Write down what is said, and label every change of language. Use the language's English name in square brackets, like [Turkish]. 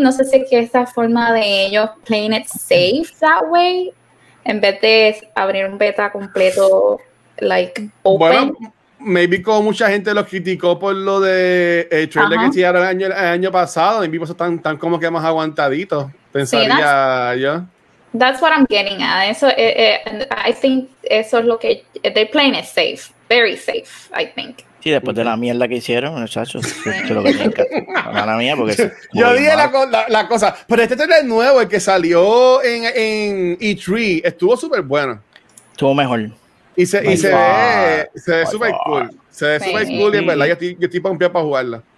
[Spanish] No sé si es que esa forma de ellos [English] playing it safe that way, [Spanish] en vez de abrir un beta completo, [English] like open. [Spanish] Bueno, maybe como mucha gente lo criticó por lo de trailer que hicieron el año pasado, en vivo están como que más aguantaditos, pensaría. Sí, [English] that's what I'm getting at. [Spanish] Eso, [English] I think [Spanish] eso es lo que [English] they're playing it safe, very safe, I think. [Spanish] Sí, después de la mierda que hicieron, muchachos. Lo que mala mía, porque yo dije la cosa. Pero este trailer nuevo, el que salió en E3, estuvo súper bueno. Estuvo mejor. Y se ve súper cool. Se ve súper cool y en verdad yo estoy pompeado para jugarla.